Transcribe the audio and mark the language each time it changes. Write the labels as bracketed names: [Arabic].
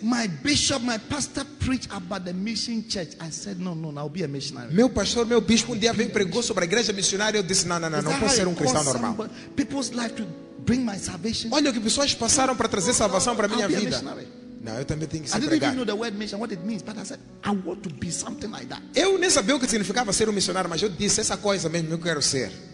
[English] When my bishop, my pastor preached about the mission church, I said, no, I'll be a missionary. [Portuguese] Meu pastor, meu bispo, um dia veio e pregou sobre a igreja missionária. Eu disse, não, não posso ser um cristão normal. [English] People's life to bring my salvation. [Portuguese] Olha o que pessoas passaram para trazer salvação para a minha vida. [English] Be a missionary. [Portuguese] Não, eu também tenho que ser [English] I didn't [Portuguese] pregar. [English] Even know the word mission, what it means, but I said I want to be something like that. [Portuguese] Eu nem sabia o que significava ser missionário, mas eu disse essa coisa mesmo, eu quero ser.